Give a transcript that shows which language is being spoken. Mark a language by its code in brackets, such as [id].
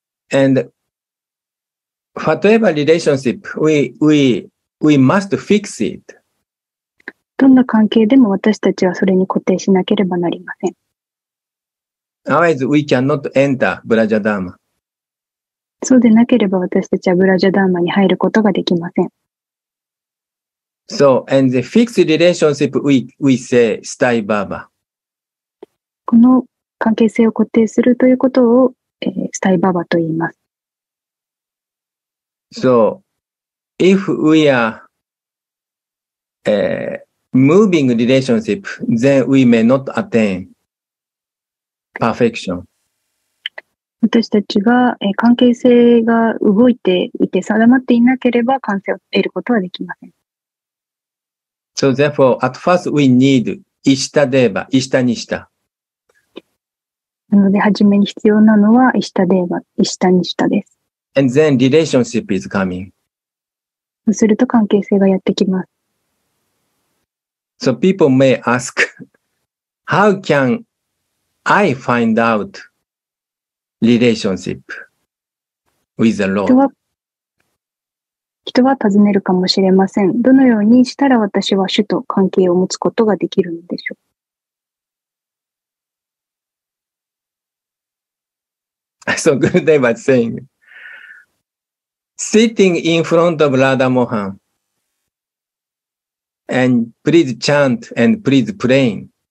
[en] And whatever relationship, we must fix it. [ja] どんな関係でも私たちはそれに固定しなければなりません。 [en] Otherwise, we cannot enter Braja Dharma. [ja] そうでなければ私たちはブラジャダーマに入ることができません。 [en] So, and the fixed relationship we say, Stai Baba. [ja] この関係性を固定するということを、Stai Baba と言います。 [en] So, if we are, moving relationship, then we may not attain perfection. [ja] 私たちが、関係性が動いていて定まっていなければ完成を得ることはできません。 [en] So therefore, at first we need Ishta Deva, Ishta Nishta. [ja] なので、はじめに必要なのは Ishta Deva, Ishta Nishta です。 [en] And then relationship is coming. [ja] そうすると関係性がやってきます。 [en] So people may ask, how can I find out relationship with the Lord? [ja] 人は尋ねるかもしれません。どのようにしたら私は主と関係を持つことができるのでしょう。 [en] So Gurudev was saying, sitting in front of Radha Mohan, and please chant and please praying.